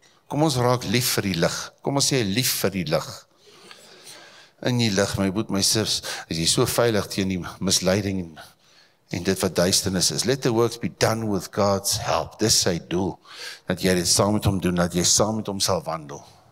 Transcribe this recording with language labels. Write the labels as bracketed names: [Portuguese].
[Afrikaans] Kom ons raak lief vir die lig. Kom ons sê lief vir die lig. In die lig, my boet, my sis, is jy so veilig teen die misleiding en dit wat duisternis is. [English] Let the works be done with God's help. [Afrikaans] Dis sy doel, dat jy dit saam met hom doen, dat jy saam met hom sal wandel.